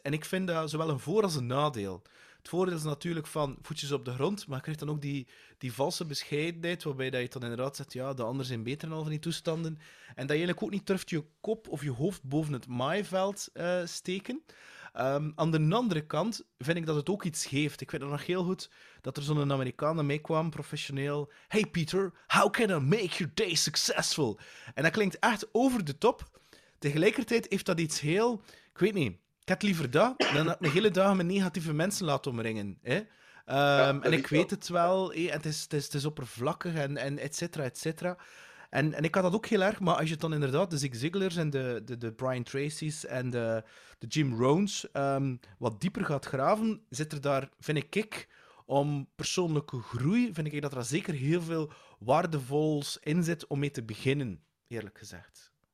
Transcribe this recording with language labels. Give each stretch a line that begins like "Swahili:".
Dutch: En ik vind dat zowel een voor- als een nadeel. Het voordeel is natuurlijk van voetjes op de grond, maar je krijgt dan ook die valse bescheidenheid, waarbij dat je dan inderdaad zegt, ja, de anderen zijn beter in al van die toestanden. En dat je eigenlijk ook niet durft je kop of je hoofd boven het maaiveld steken. Aan de andere kant vind ik dat het ook iets geeft. Ik weet nog heel goed dat er zo'n Amerikaan naar mij kwam, professioneel.
English: Hey Peter, how can I make your day successful?
Dutch: En dat klinkt echt over de top. Tegelijkertijd heeft dat iets heel... Ik weet niet... Ik had liever dat, dan dat ik mijn hele dag met negatieve mensen laat omringen. Hè? En ik weet het wel, het is oppervlakkig en et cetera, et cetera. En ik had dat ook heel erg, maar als je dan inderdaad de Zig Ziglars en de Brian Tracy's en de Jim Rohn's wat dieper gaat graven, zit er daar, vind ik, om persoonlijke groei, vind ik dat er zeker heel veel waardevols in zit om mee te beginnen, eerlijk gezegd.